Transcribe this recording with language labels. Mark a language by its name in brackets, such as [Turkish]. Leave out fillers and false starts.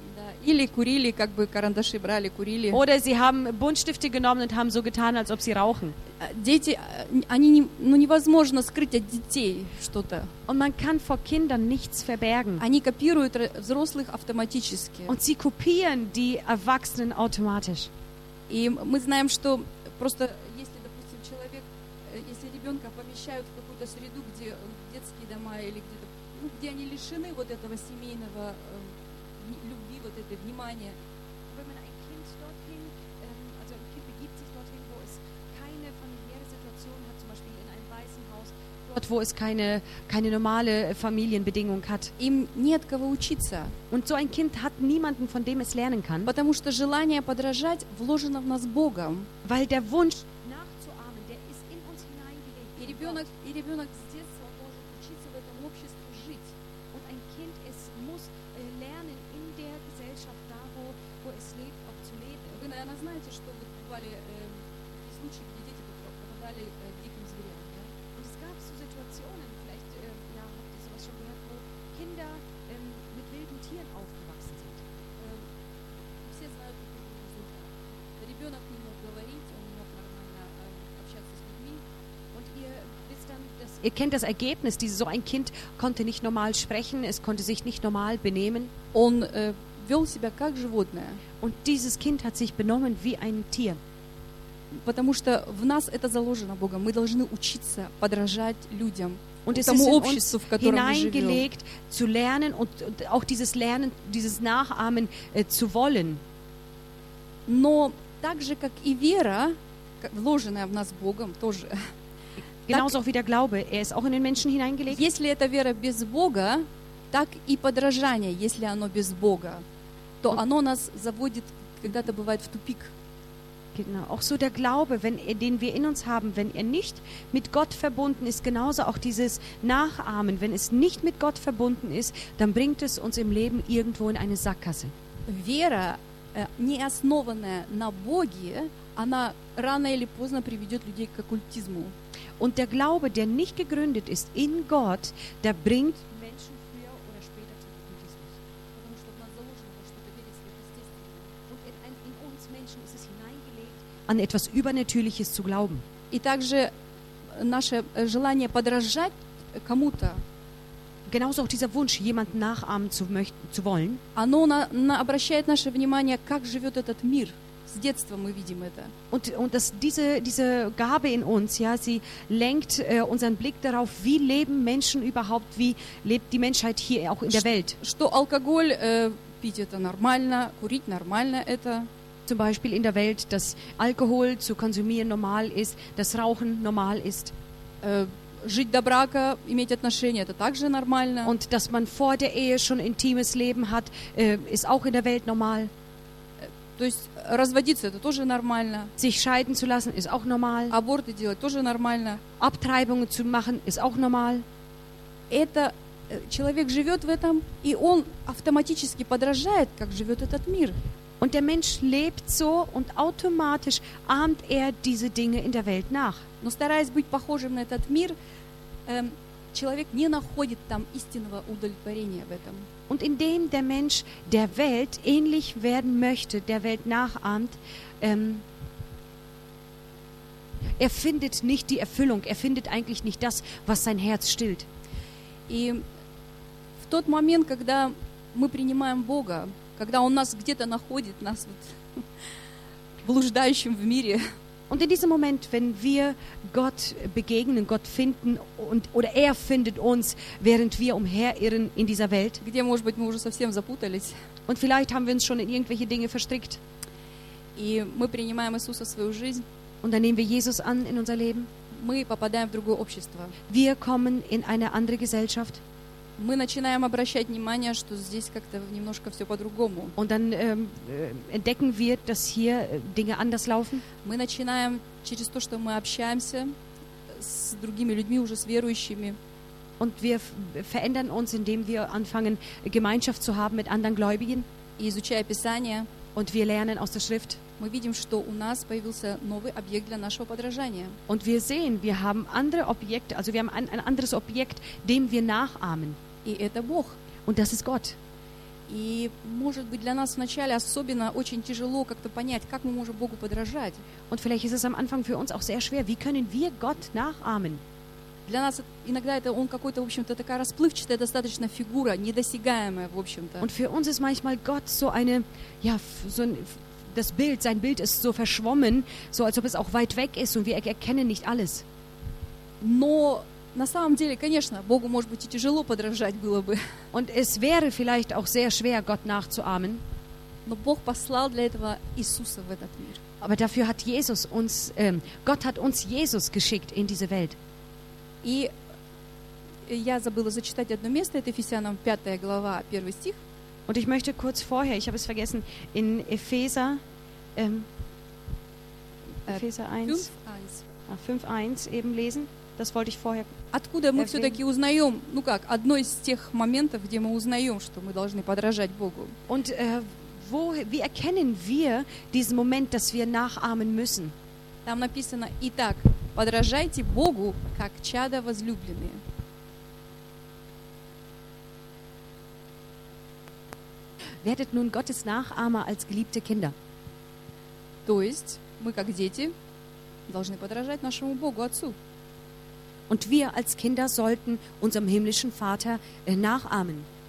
[Russian] Da, или курили, как бы карандаши брали, курили. [German] Oder sie haben Buntstifte genommen und haben so getan, als ob sie rauchen. [Russian] Дети, они, ну, невозможно скрыть от детей что-то. [German] Und man kann vor Kindern nichts verbergen. [Russian] Они копируют взрослых автоматически. [German] Und sie kopieren die Erwachsenen automatisch. [Russian] И мы знаем, что просто если, допустим, человек, если ребенка помещают в какую-то среду, где детские дома или где-то, ну, где они лишены вот этого семейного любви, вот этой внимания. [German] Wenn man ein Kind dorthin, also ein Kind begibt sich dorthin, wo es keine familiäre Situation hat, zum Beispiel in einem weißen Haus, dort, wo es keine normale Familienbedingung hat. [Russian] Им не от кого учиться. [German] Und so ein Kind hat niemanden, von dem es lernen kann. [Russian] Потому что желание подражать вложено в нас Богом. [German] Weil der Wunsch nachzuahmen, der ist in uns hineingelegt. [Russian] И ребенок с детства должен учиться в этом обществе жить. [German] Und ein Kind, es muss lernen in der Gesellschaft, da wo es lebt, auch zu leben. [Russian] Вы, наверное, знаете, что вот бывали случаи, где дети попадали диким зверям. [German] Und es gab so Situationen, vielleicht ja, habt ihr sowas schon gehört, wo Kinder mit wilden Tieren aufgewachsen sind. [Russian] Все знают, как это было. Ребенок не мог говорить, он не мог нормально общаться с людьми. [German] Und ihr wisst dann, dass... Ihr kennt das Ergebnis, dieses, so ein Kind konnte nicht normal sprechen, es konnte sich nicht normal benehmen. Und [Russian] вел себя как животное. [German] Und dieses Kind hat sich benommen wie ein Tier. [Russian] Потому что в нас это заложено Богом. Мы должны учиться подражать людям, [German] und [Russian] тому обществу, в котором мы живем. [German] Hineingelegt zu lernen und auch dieses Lernen, dieses Nachahmen zu wollen. [Russian] Но так же, как и вера, вложенная в нас Богом, тоже. [German] Genauso [Russian] так, [German] auch wie der Glaube, er ist auch in den Menschen hineingelegt. [Russian] Если эта вера без Бога, так и подражание, если оно без Бога, то оно нас заводит, когда-то бывает, в тупик. [German] Genau. Auch so der Glaube, wenn er, den wir in uns haben, wenn er nicht mit Gott verbunden ist, genauso auch dieses Nachahmen, wenn es nicht mit Gott verbunden ist, dann bringt es uns im Leben irgendwo in eine Sackgasse. [Russian] Вера, не основанная на Боге, она рано или поздно приведет людей к оккультизму. [German] Und der Glaube, der nicht gegründet ist in Gott, der bringt Menschen früher oder später zum Okkultismus. [Russian] Потому что в нас заложено, во что-то верить естественно. [German] Und in uns Menschen ist es hineingelegt, an etwas Übernatürliches zu glauben. [Russian] И также наше желание подражать кому-то. [German] Genauso auch dieser Wunsch, jemanden nachahmen zu wollen. [Russian] Оно обращает наше внимание, как живет этот мир. С детства мы видим это. [German] Und dass diese Gabe in uns, ja, sie lenkt unseren Blick darauf, wie leben Menschen überhaupt, wie lebt die Menschheit hier auch in der Welt. [Russian] Что алкоголь пить это нормально, курить нормально это. [German] Zum Beispiel in der Welt, dass Alkohol zu konsumieren normal ist, dass Rauchen normal ist. [Russian] Жить до брака, иметь отношения, это также нормально. [German] Und dass man vor der Ehe schon intimes Leben hat, ist auch in der Welt normal. [Russian] То есть разводиться, это тоже нормально. [German] Sich scheiden zu lassen, ist auch normal. [Russian] Аборты делать, тоже нормально. [German] Abtreibungen zu machen, ist auch normal. [Russian] Это человек живет в этом, и он автоматически подражает, как живет этот мир. [German] Und der Mensch lebt so und automatisch ahmt er diese Dinge in der Welt nach. [Russian] Но стараясь быть похожим на этот мир, человек не находит там истинного удовлетворения в этом. [German] Und indem der Mensch der Welt ähnlich werden möchte, der Welt nachahmt, er findet nicht die Erfüllung, er findet eigentlich nicht das, was sein Herz stillt. [Russian] И в тот момент, когда мы принимаем Бога, когда он нас где-то находит, нас вот блуждающим в мире. [German] Und in diesem Moment, wenn wir Gott begegnen, Gott finden und oder er findet uns, während wir umherirren in dieser Welt. [Russian] Где, может быть, мы уже совсем запутались. [German] Und vielleicht haben wir uns schon in irgendwelche Dinge verstrickt. [Russian] И мы принимаем Иисуса в свою жизнь. [German] Und dann nehmen wir Jesus an in unser Leben. [Russian] Мы попадаем в другое общество. [German] Wir kommen in eine andere Gesellschaft. [Russian] Мы начинаем обращать внимание, что здесь как-то немножко все по-другому. [German] Und dann entdecken wir, dass hier Dinge anders laufen. [Russian] Мы начинаем через то, что мы общаемся с другими людьми, уже с верующими. [German] Und wir verändern uns, indem wir anfangen, Gemeinschaft zu haben mit anderen Gläubigen. [Russian] И изучая Писание. [German] Und wir lernen aus der Schrift. [Russian] Мы видим, что у нас появился новый объект для нашего подражания. [German] Und wir sehen, wir haben andere Objekte, also wir haben ein anderes Objekt, dem wir nachahmen. [Russian] И это Бог. [German] Und das ist Gott. [Russian] И может быть для нас вначале особенно очень тяжело как-то понять, как мы можем Богу подражать. [German] Und vielleicht ist es am Anfang für uns auch sehr schwer, wie können wir Gott nachahmen? [Russian] Для нас иногда это он какой-то, в общем-то, такая расплывчатая достаточно фигура, недосягаемая, в общем-то. [German] Und für uns ist manchmal Gott so eine, ja, so ein, das Bild, sein Bild ist so verschwommen, so als ob es auch weit weg ist und wir erkennen nicht alles. [Russian] Но на самом деле, конечно, Богу может быть и тяжело подражать было бы. [German] Und es wäre vielleicht auch sehr schwer, Gott nachzuahmen. [Russian] Но Бог послал для этого Иисуса в этот мир. [German] Aber dafür hat Jesus uns, Gott hat uns Jesus geschickt in diese Welt. [Russian] И я забыла зачитать одно место, это Ефесянам 5 глава, 1 стих. [German] Und ich möchte kurz vorher, ich habe es vergessen, in Epheser, Epheser 5, 1 eben lesen. Das wollte ich vorher. [Russian] Откуда мы все-таки узнаем, ну как, одно из тех моментов, где мы узнаем, что мы должны подражать Богу. [German] Und wo, wie erkennen wir diesen Moment, dass wir nachahmen müssen? [Russian] Там написано, итак, подражайте Богу, как чада возлюбленные. [German] Werdet nun Gottes Nachahmer als geliebte Kinder. [Russian] То есть, мы как дети должны подражать нашему Богу, Отцу. [German] Und wir als Kinder sollten unserem himmlischen Vater nachahmen.